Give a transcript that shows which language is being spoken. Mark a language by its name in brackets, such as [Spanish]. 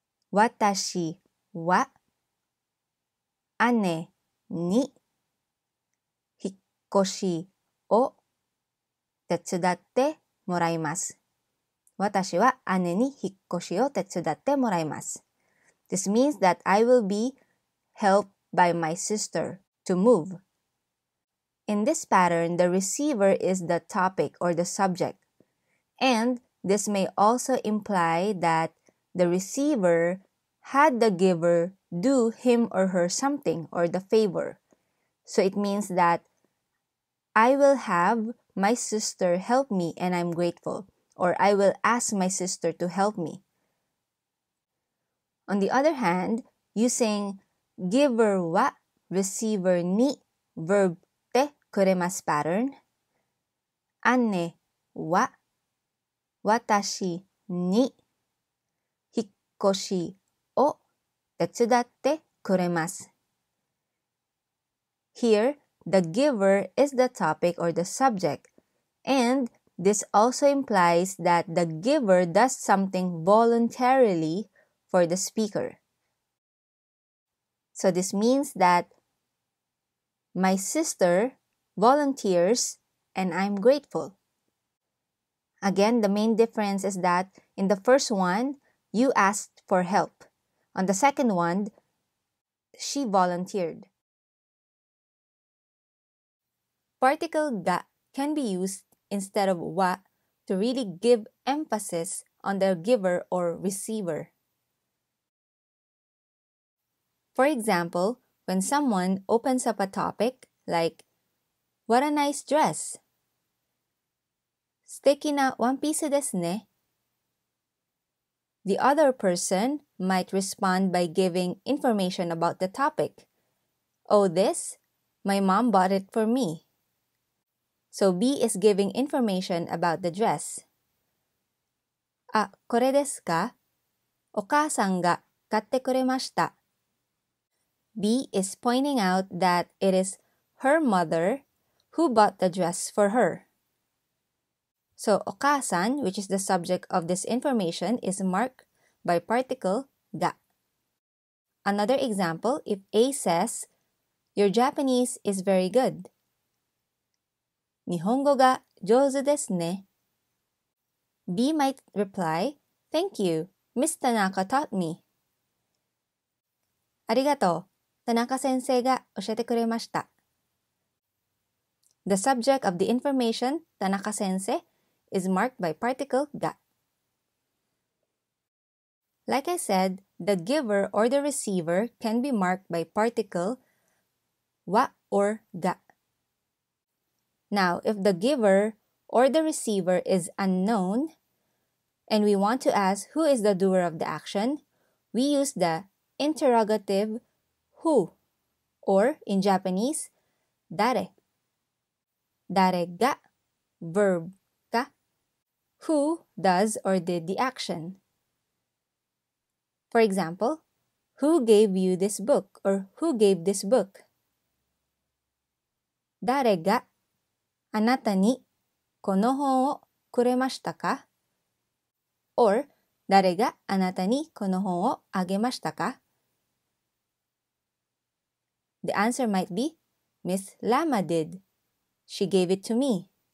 [Japanese] 私は姉に引っ越しを手伝ってもらいます。私は姉に引っ越しを手伝ってもらいます。 [English] This means that I will be helped by my sister to move. In this pattern, the receiver is the topic or the subject. And this may also imply that the receiver had the giver do him or her something or the favor. So it means that I will have my sister help me and I'm grateful. Or I will ask my sister to help me. On the other hand, using giver wa receiver ni verb te kuremasu pattern, [Japanese] 姉は私に引っ越し手伝ってくれます。 [English] Here, the giver is the topic or the subject. And this also implies that the giver does something voluntarily for the speaker. So this means that my sister volunteers and I'm grateful. Again, the main difference is that in the first one, you asked for help. On the second one, she volunteered. Particle ga can be used instead of wa to really give emphasis on the giver or receiver. For example, when someone opens up a topic like, what a nice dress! [Japanese] 素敵なワンピースですね。 [English] The other person might respond by giving information about the topic. Oh, this? My mom bought it for me. So B is giving information about the dress. [Japanese] あ、これですか? お母さんが買ってくれました。 [English] B is pointing out that it is her mother who bought the dress for her. So, お母さん, which is the subject of this information, is marked by particle が. Another example, if A says, your Japanese is very good. [Japanese] 日本語が上手ですね。 [English] B might reply, thank you, Miss Tanaka taught me. [Japanese] ありがとう。田中先生が教えてくれました。 [English] The subject of the information, 田中先生, is marked by particle が. Like I said, the giver or the receiver can be marked by particle わ or が. Now, if the giver or the receiver is unknown, and we want to ask who is the doer of the action, we use the interrogative who, or in Japanese, 誰? [Japanese] 誰が verb か? [English] Who does or did the action? For example, who gave you this book or who gave this book? 誰があなたにこの本をくれましたか? Or 誰があなたにこの本をあげましたか? The answer might be, Miss Lama did. She gave it to me.